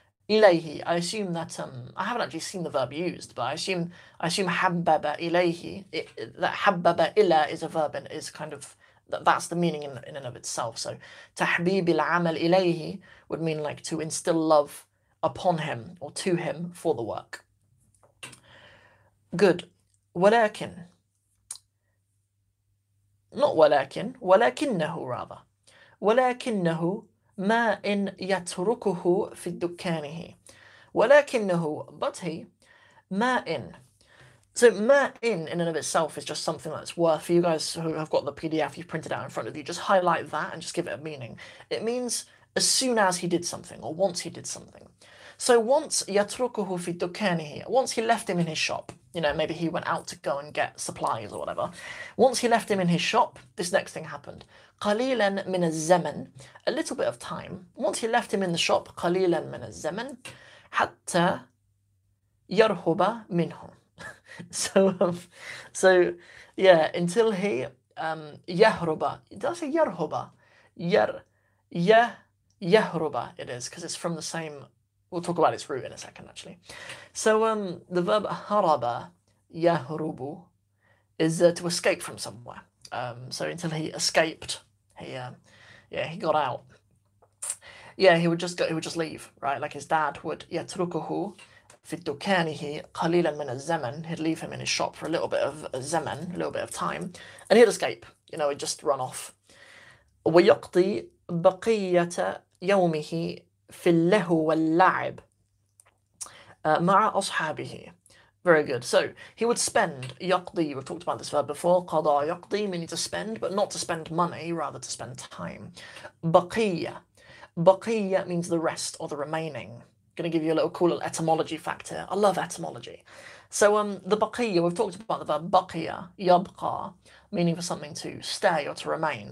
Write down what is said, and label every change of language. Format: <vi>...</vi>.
<ar>إليه,</ar> <en>I assume that, I haven't actually seen the verb used, but I assume</en> <ar>حبب إليه,</ar> <en>that</en> <ar>حبب إلى</ar> <en>is a verb, and is kind of, that's the meaning in and of itself. So</en> <ar>تحبيب العمل إليه</ar> <en>would mean like to instill love upon him or to him for the work. Good.</en> <ar>ولكن,</ar> <en>not</en> <ar>ولكن, ولكنه</ar> <en>rather,</en> <ar>ولكنه ما إن يتركه في دكانه, ولكنه,</ar> <en>but he,</en> <ar>ما إن.</ar> <en>So</en> <ar>ما إن</ar> <en>in and of itself is just something that's worth, for you guys who have got the PDF, you've printed out in front of you, just highlight that and just give it a meaning. It means as soon as he did something, or once he did something. So once</en> <ar>يتركه في دكانه,</ar> <en>once he left him in his shop, you know, maybe he went out to go and get supplies or whatever. Once he left him in his shop, this next thing happened.</en> <ar>قليلاً من الزمن,</ar> <en>a little bit of time. Once he left him in the shop,</en> <ar>قليلاً من الزمن, حتى يرهب منه.</ar> <en>So until he,</en> <ar>يهرب,</ar> <en>did I say</en> <ar>يرهب? يهرب,</ar> <en>it is, because it's from the same, we'll talk about its root in a second, actually. So the verb</en> <ar>هرب, يهربو,</ar> <en>is to escape from somewhere. So until he escaped, he got out. Yeah, he would just leave, right? Like his dad would,</en> <ar>يتركه في دكانه قليلا من الزمن.</ar> <en>He'd leave him in his shop for a little bit of</en> <ar>زمن,</ar> <en>a little bit of time, and he'd escape. You know, he'd just run off.</en> <ar>ويقضي بقية يومه في اللهو واللعب مع أصحابه.</ar> <en>Very good. So he would spend,</en> <ar>يقضي,</ar> <en>we've talked about this verb before,</en> <ar>قضى يقضي,</ar> <en>meaning to spend, but not to spend money, rather to spend time.</en> <ar>بقية, بقية</ar> <en>means the rest or the remaining. Going to give you a little cool little etymology fact here. I love etymology. So the</en> <ar>بقية,</ar> <en>we've talked about the verb</en> <ar>بقية, يبقى,</ar> <en>meaning for something to stay or to remain.</en>